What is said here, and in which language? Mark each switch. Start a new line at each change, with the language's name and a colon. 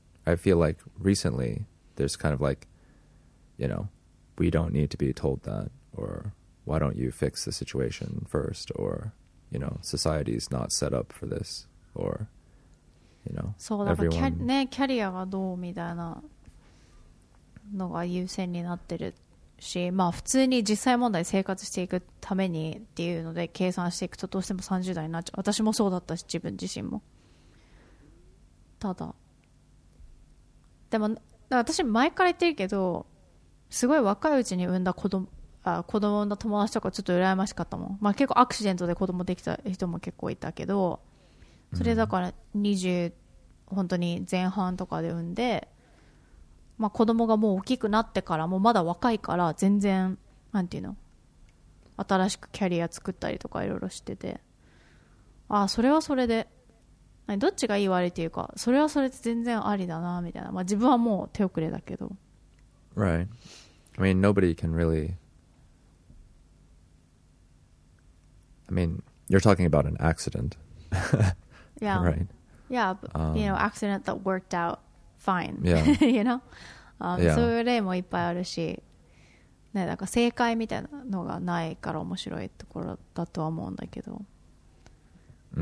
English: I feel like recently there's kind of like, you know, we don't need to be told that, or why don't you fix the situation first, orYou know, society is not set up for this, or you know,
Japanese: そうだから
English: everyone...
Japanese: ね、キャリアがどうみたいなのが優先になってるし、まあ普通に実際問題生活していくためにっていうので計算していくとどうしても30代になっちゃう。私もそうだったし、自分自身も。ただ、でも私前から言ってるけど、すごい若いうちに産んだ子供。子供の友達とかちょっと羨ましかったもん、まあ、結構アクシデントで子供できた人も結構いたけど、それだから20本当に前半とかで産んで、まあ、子供がもう大きくなってからもうまだ若いから全然なんていうの、新しくキャリア作ったりとかいろいろしてて、ああそれはそれでどっちがいい悪いというかそれはそれで全然ありだなみたいな、まあ、自分はもう手遅れだけど
English: Right I mean nobody can really I mean you're talking about an accident Yeah Right Yeah but, you know accident that worked out fine Yeah You know、yeah.
Japanese: そういう例もいっぱいあるしね、なんか正解みたいなのがないから面白いところだとは思うんだけど、mm.